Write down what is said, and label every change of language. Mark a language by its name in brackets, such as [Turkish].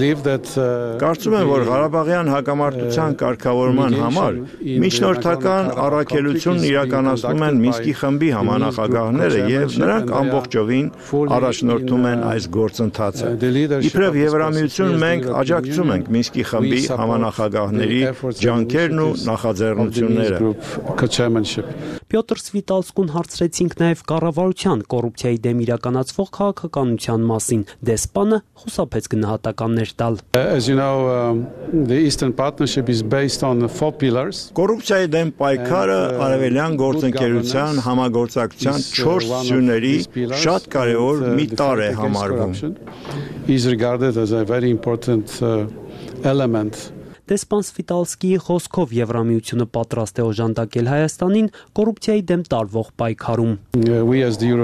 [Armenian] Կարծում եմ, որ Ղարաբաղյան հակամարտության կարգավորման համար միջնորդական առաքելությունն իրականացնում են Մինսկի խմբի համանախագահները եւ նրանք ամբողջովին առաջնորդում են այս գործընթացը։ Իբրև Եվրամիություն, մենք աջակցում ենք Մինսկի խմբի համանախագահների ջանքերն ու նախաձեռնությունները։ Պյոտր Սվիտալսկուն հարցրեցինք նաև կառավարության կոռուպցիայի դեմ իրականացվող քաղաքականության մասին, դեսպանը խուսափեց գնահատականներ տալ։ [English] As you know, the Eastern Partnership is based on the four pillars. [Armenian] Կոռուպցիայի դեմ պայքարը արևելյան գործընկերության համագործակցության 4 սյուների շատ կարևոր մի տարր է համարվում. [English] Is regarded as a very important element. [Armenian] Դեսպան Սվիտալսկիի խոսքով Եվրամիությունը պատրաստ է օժանդակել Հայաստանին կոռուպցիայի դեմ տարվող պայքարում։